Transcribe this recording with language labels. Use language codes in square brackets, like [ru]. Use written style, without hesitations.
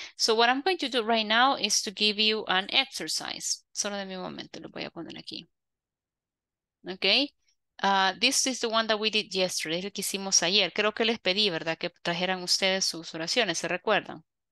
[en] So what I'm going to do right now is to give you an exercise. [es] Solo de mi momento, lo voy a poner aquí. [en] Okay, this is the one that we did yesterday, [es] el que hicimos ayer. Creo que les pedí, ¿verdad?, que trajeran ustedes sus oraciones, ¿se recuerdan?